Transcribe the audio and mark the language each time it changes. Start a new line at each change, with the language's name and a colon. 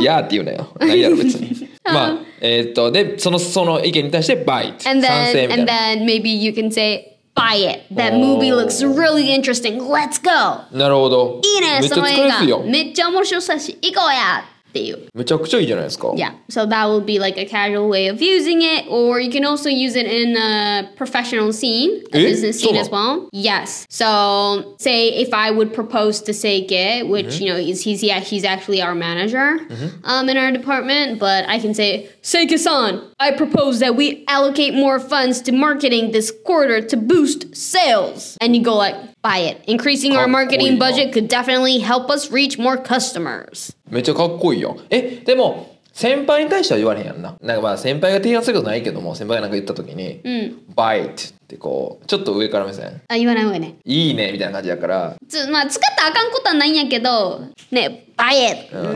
Japanese: いやって言うなよ何やろ別にまあでその意見に対して
English: buy it
Japanese: 賛成みたいな
English: And then maybe you can say buy it That movie looks really interesting Let's go
Japanese: なるほどいいねその映画めっちゃ面白そうだし行こうやめちゃくちゃいいじゃないですか。
English: Yeah, so that will be like a casual way of using it, or you can also use it in a professional scene, a business scene as well. Yes. So, say if I would propose to Seike, which you know he's actually our manager, in our department, but I can say Seike-san, I propose that we allocate more funds to marketing this quarter to boost sales, and you go like. Buy it. Increasing our marketing budget could definitely help us reach more customers.
Japanese: めっちゃかっこいいよ。でも先輩に対しては言われへんやんな。なんかまあ先輩が提案することないけども、先輩がなんか言った時に、
English: Buy it
Japanese: ってこうちょっと上から目線。あ、言わない方がね。いいねみたいな感じだから。まあ使ったらあかんことはないんやけど、ね、
English: Buy it。